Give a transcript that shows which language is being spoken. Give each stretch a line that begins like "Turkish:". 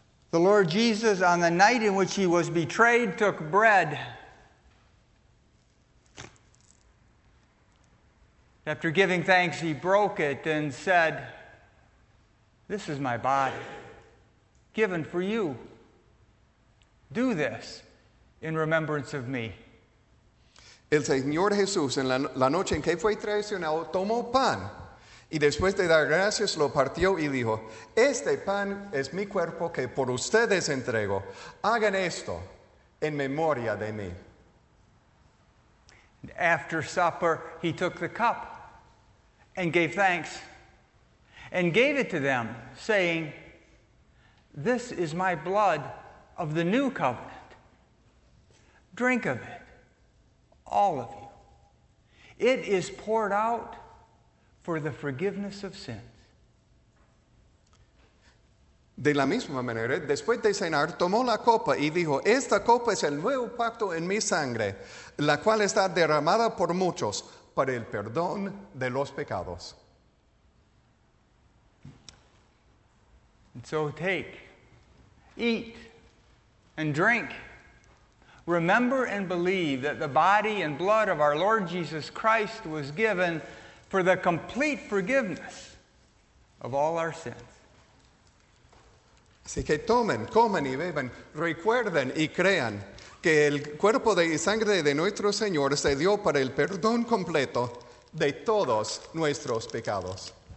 English: The Lord Jesus, on the night in which he was betrayed, took bread. After giving thanks, he broke it and said, "This is my body, given for you. Do this in remembrance of me."
Spanish: El Señor Jesús, en la noche en que fue traicionado, tomó pan y después de dar gracias lo partió y dijo, "Este pan es mi cuerpo que por ustedes entrego. Hagan esto en memoria de mí."
English: After supper, he took the cup and gave thanks and gave it to them, saying, "This is my blood of the new covenant. Drink of it. All of you. It is poured out for the forgiveness of sins."
Spanish: De la misma manera, después de cenar, tomó la copa y dijo, esta copa es el nuevo pacto en mi sangre, la cual está derramada por muchos para el perdón de los pecados.
English: So take, eat, and drink. Remember and believe that the body and blood of our Lord Jesus Christ was given for the complete forgiveness of all our sins.
Spanish: Así que tomen, coman y beban, recuerden y crean que el cuerpo y sangre de nuestro Señor se dio para el perdón completo de todos nuestros pecados.